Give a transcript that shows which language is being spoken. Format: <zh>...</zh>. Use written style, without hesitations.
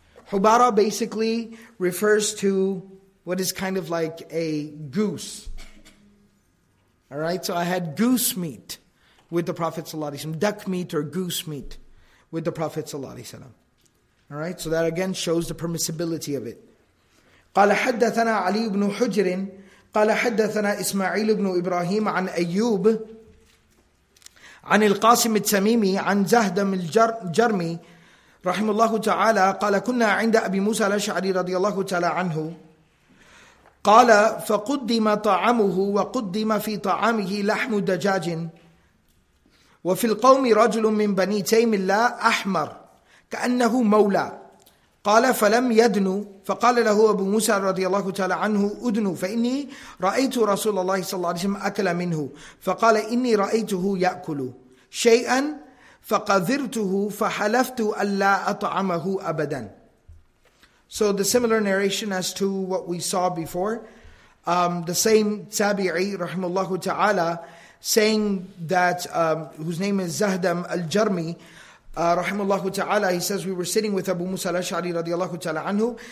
<en>Hubara basically refers to what is kind of like a goose. All right, so I had goose meat with the Prophet ﷺ, duck meat or goose meat with the Prophet ﷺ. All right, so that again shows the permissibility of it.</en> <ar>قَالَ حَدَّثَنَا عَلِيُّ بْنُ حُجْرٍ قَالَ حَدَّثَنَا إِسْمَعِيلُ بْنُ إِبْرَاهِيمَ عَنْ أَيُّوبِ عَنِ الْقَاسِمِ التَّمِيمِ عَنْ زَهْدَمِ الْجَرْمِ رحمه الله تعالى قال كنا عند أبي موسى الأشعري رضي الله تعالى عنه قال فقدم طعامه وقدم في طعامه لحم دجاج وفي القوم رجل من بني تيم الله أحمر كأنه مولى قال فلم يدن فقال له أبو موسى رضي الله تعالى عنه أدن فإني رأيت رسول الله صلى الله عليه وسلم أكل منه فقال إني رأيته يأكل شيئا فَقَذِرْتُهُ فَحَلَفْتُ أَلَّا أَطْعَمَهُ أَبَدًا.</ar> <en>So the similar narration as to what we saw before. The same tabi'i, rahimahullah ta'ala, saying that, whose name is Zahdam al-Jarmi, rahimahullah ta'ala, he says, we were sitting with Abu Musa al-Ash'ari radiallahu ta'ala anhu.</en>